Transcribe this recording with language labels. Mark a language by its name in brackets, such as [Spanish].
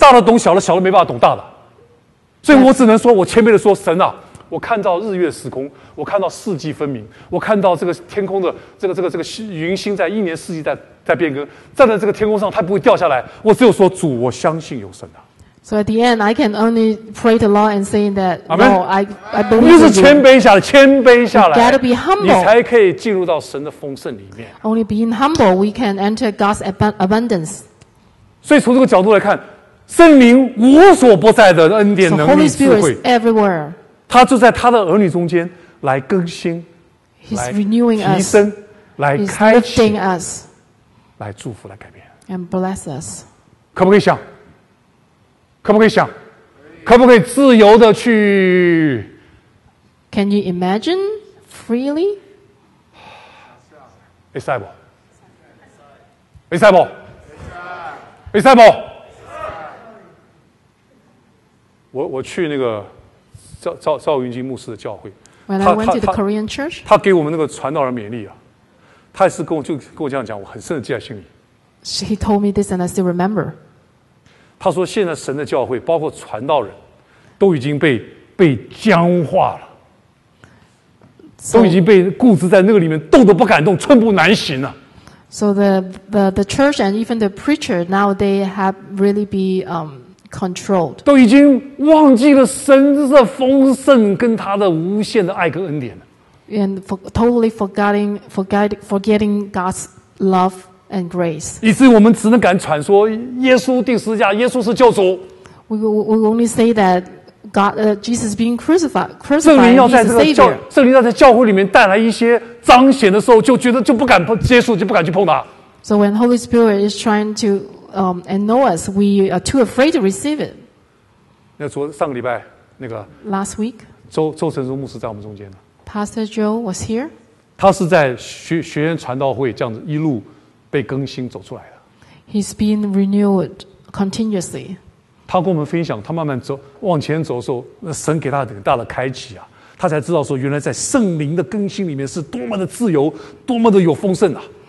[Chinese] 大的懂小的，小的没办法懂大的。所以我只能说，我谦卑的说，神啊，我看到日月时空，我看到四季分明，我看到这个天空的这个云星在一年四季在变更，站在这个天空上，它不会掉下来。我只有说，主，我相信有神啊。 [English] So at the end, I can only pray to Lord and saying that, no, I believe you. [Chinese] 你是谦卑下来，谦卑下来。 [English] You gotta be humble. [Chinese] 你才可以进入到神的丰盛里面。 [English] Only being humble, we can enter God's abundance. [Chinese] 所以从这个角度来看，圣灵无所不在的恩典、能力、智慧 [English] everywhere. [Chinese] 他就在他的儿女中间来更新、 [English] He's renewing us, [Chinese] 来提升、来开启、 [English] lifting us, [Chinese] 来祝福、来改变。 [English] And bless us. [Chinese] 可不可以想？可不可以想？可不可以自由的去 [English] ？Can you imagine freely？ [Chinese] 会赛不？会赛不？会赛不？我去那个赵云金牧师的教会 [English] ，When I went to the Korean church， [Chinese] 他给我们那个传道人勉励啊，他也是跟我这样讲，我很深的记在心里。 [English] He told me this, and I still remember。 [Chinese] 他说：“现在神的教会，包括传道人，都已经被僵化了， [English] so, [Chinese] 都已经被固执在那个里面，动都不敢动，寸步难行了。” [English] So the church and even the preacher now they have really be controlled. [Chinese] 都已经忘记了神的丰盛跟他的无限的爱跟恩典了。 [English] And totally forgetting God's love. And grace. [Chinese] 以至于我们只能敢传说耶稣钉十字架，耶稣是救主。 [English] We only say that God, Jesus being crucified. [Chinese] 圣灵要在这个教，圣灵要在教会里面带来一些彰显的时候，就觉得就不敢接触，就不敢去碰它。 [English] So when Holy Spirit is trying to know us, we are too afraid to receive it. [Chinese] 那昨上个礼拜那个 [English] last week， [Chinese] 周成忠牧师在我们中间呢。 [English] Pastor Joe was here. [Chinese] 他是在学院传道会这样子一路。被更新走出来的。 [English] He's been renewed continuously. [Chinese] 他跟我们分享，他慢慢走往前走的时候，神给他很大的开启啊，他才知道说，原来在圣灵的更新里面是多么的自由，多么的有丰盛啊。